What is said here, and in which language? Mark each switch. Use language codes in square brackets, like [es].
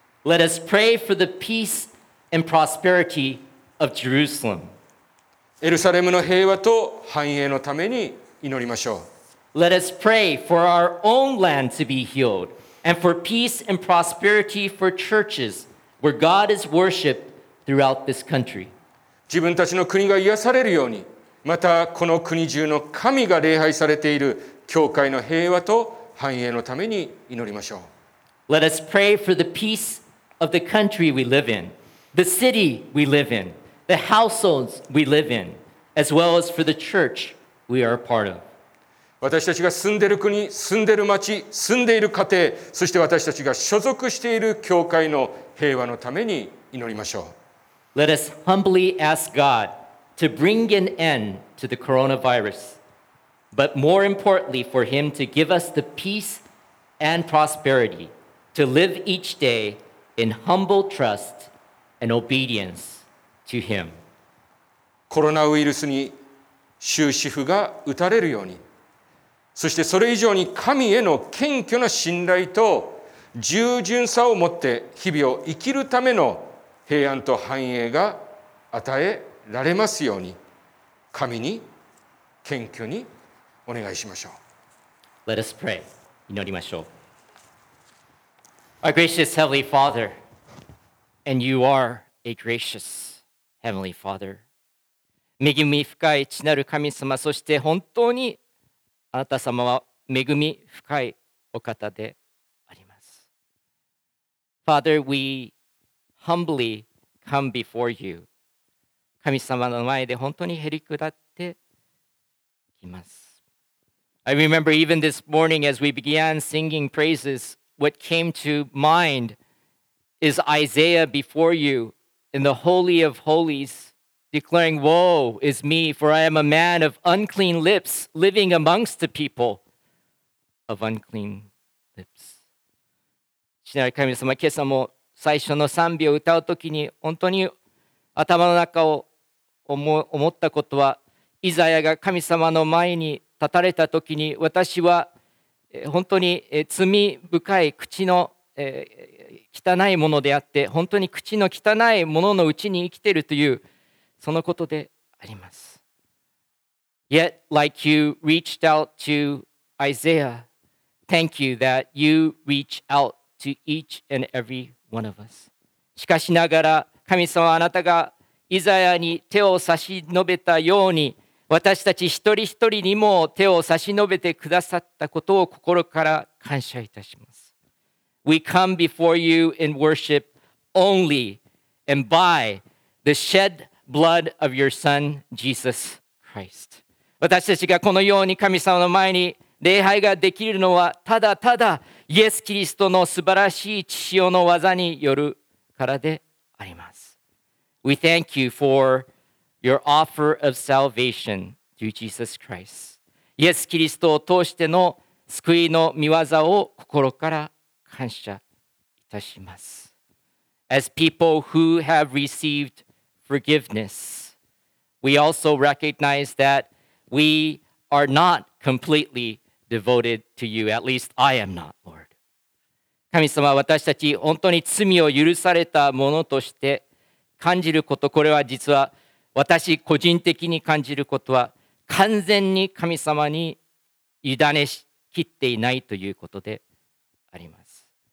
[en] Let us pray for the peace and prosperity of Jerusalem. [ja] エルサレムの平和と繁栄のために祈りましょう。 [en] Let us pray for our own land to be healed and for peace and prosperity for churches where God is worshipped throughout this country. [ja] 自分たちの国が癒されるように、またこの国中の神が礼拝されている教会の平和と繁栄のために祈りましょう。 [en] Let us pray for the peace of the country we live in, the city we live in, the households we live in, as well as for the church we are a part of. [ja] 私たちが住んでいる国、住んでいる町、住んでいる家庭、そして私たちが所属している教会の平和のために祈りましょう。 [en] Let us humbly ask God to bring an end to the coronavirus, but more importantly for Him to give us the peace and prosperity to live each day in humble trust and obedience to Him. [ja] コロナウイルスに終止符が打たれるように、そしてそれ以上に神への謙虚な信頼と従順さを持って日々を生きるための平安と繁栄が与えられますように、神に謙虚にお願いしましょう。 [en] Let us pray. [ja] 祈りましょう。 [en] Our gracious Heavenly Father, and you are a gracious Heavenly Father. [ja] 恵み深い父なる神様、そして本当にあなた様は恵み深いお方であります。 [en] Father, we humbly come before you. [ja] 神様の前で本当にへりくだってきます。 [en] I remember even this morning as we began singing praises, what came to mind is Isaiah before you in the Holy of Holies, declaring, Woe is me, for I am a man of unclean lips, living amongst the people of unclean lips. [ja] 父なる神様、今朝も最初の賛美を歌うときに本当に頭の中を思ったことは、イザヤが神様の前に立たれたときに、私は本当に罪深い口の汚いものであって、本当に口の汚いもののうちに生きているというそのことであります。 [en] Yet like you reached out to Isaiah, thank you that you reach out to each and everyOne of us. [ja] しかしながら神様、あなたがイザヤに手を差し伸べたように、私たち一人一人にも手を差し伸べてくださったことを心から感謝いたします。 [en] We come before you in worship only and by the shed blood of your son Jesus Christ. [ja] 私たちがこのように神様の前に礼拝ができるのは、ただただイエス・キリストの素晴らしい血潮の技によるからであります。 [en] We thank you for your offer of salvation through Jesus Christ. [ja] イエス・キリストを通しての救いの御業を心から感謝いたします。 [en] As people who have received forgiveness, we also recognize that we are not completely devoted to you. At least I am not, Lord. [ja] 神様、私たち本当に罪を許されたものとして感じること、これは実は私個人的に感じることは、完全に神様に委ねしきっていないということであります。